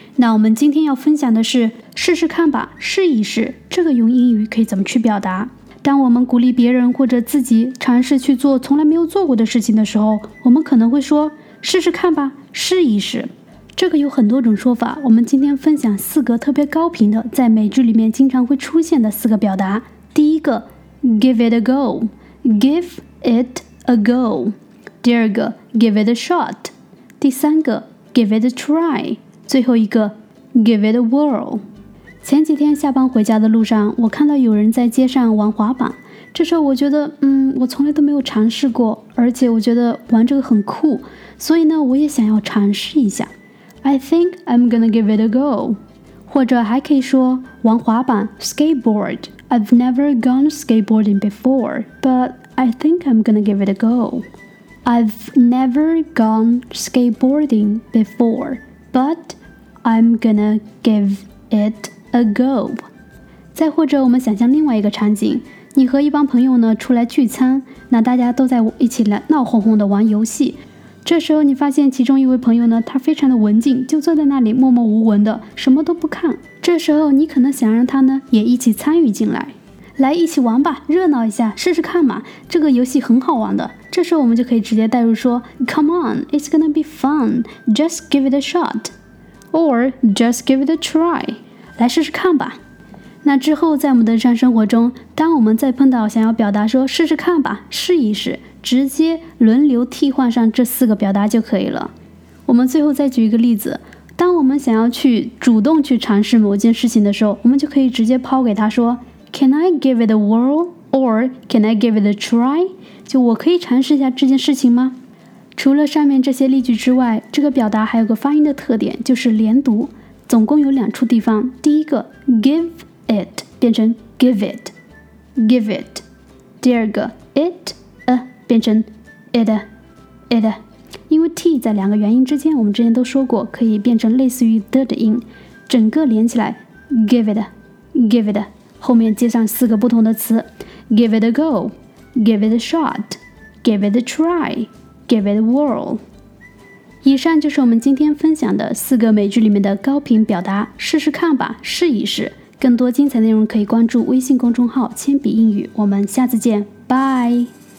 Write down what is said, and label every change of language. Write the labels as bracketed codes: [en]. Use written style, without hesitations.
[zh] 那我们今天要分享的是试试看吧，试一试，这个用英语可以怎么去表达。当我们鼓励别人或者自己尝试去做从来没有做过的事情的时候，我们可能会说试试看吧，试一试。这个有很多种说法，我们今天分享四个特别高频的，在美剧里面经常会出现的四个表达。第一个 Give it a go， Give it a go。第二个 Give it a shot。 第三个 Give it a try。最后一个 Give it a whirl。前几天下班回家的路上，我看到有人在街上玩滑板，这时候我觉得我从来都没有尝试过，而且我觉得玩这个很酷，所以呢我也想要尝试一下。 [en] I think I'm gonna give it a go。 [zh] 或者还可以说玩滑板 skateboard。 [en] I've never gone skateboarding before, but I think I'm gonna give it a go。 I've never gone skateboarding before, but I'm gonna give it a go。 [zh] 再或者我们想象另外一个场景，你和一帮朋友呢出来聚餐，那大家都在一起来闹哄哄的玩游戏，这时候你发现其中一位朋友呢，他非常的文静，就坐在那里默默无闻的，什么都不看。这时候你可能想让他呢也一起参与进来，来一起玩吧，热闹一下，试试看嘛，这个游戏很好玩的。 [en] 这时候我们就可以直接带入说 Come on, it's gonna be fun, just give it a shot, or just give it a try, [zh] 来试试看吧。那之后在我们的日常生活中，当我们再碰到想要表达说试试看吧，试一试，直接轮流替换上这四个表达就可以了。我们最后再举一个例子，当我们想要去主动去尝试某件事情的时候，我们就可以直接抛给他说 [en] Can I give it a whirl? Or can I give it a try? [zh] 就我可以尝试一下这件事情吗？除了上面这些例句之外，这个表达还有个发音的特点，就是连读，总共有两处地方。第一个 give it 变成 give it, give it。第二个 it变成 it, it, 因为 t 在两个元音之间，我们之前都说过可以变成类似于 the 的音，整个连起来 give it, give it, 后面接上四个不同的词 give it a go, give it a shot, give it a try, give it a whirl。以上就是我们今天分享的四个美剧里面的高频表达，试试看吧，试一试。更多精彩内容可以关注微信公众号铅笔英语，我们下次见，拜拜。